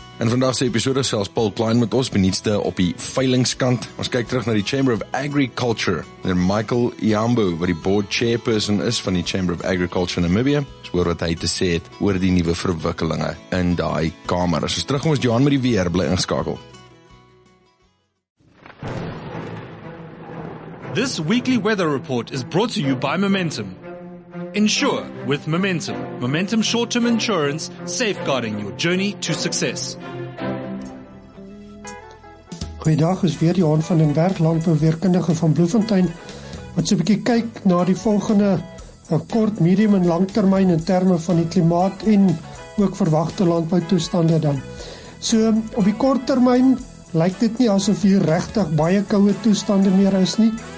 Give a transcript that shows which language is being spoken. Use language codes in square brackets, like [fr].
[af] En vandag se episode sels Paul Klein met ons benietste op die veilingskant. Ons kyk terug na die Chamber of Agriculture en Michael Iambu, wat die board chairperson is van die Chamber of Agriculture in Namibia. Oor wat hy te sê het oor die nuwe verwikkelinge in daai kamer. As ons terug ons Johan met die weer, bly ingeskakel. [en] This weekly weather report is brought to you by Momentum. Insure with Momentum. Momentum short-term insurance, safeguarding your journey to success. [af] Goeiedag, is weer Johan van den Berg, landbouweerkundige van Bloemfontein, wat so 'n bietjie kyk na die volgende 'n kort, medium en langtermyn in terme van die klimaat en ook verwagte landboutoestande dan. So, op die korttermyn lyk dit nie asof hier regtig baie koue toestande meer is nie.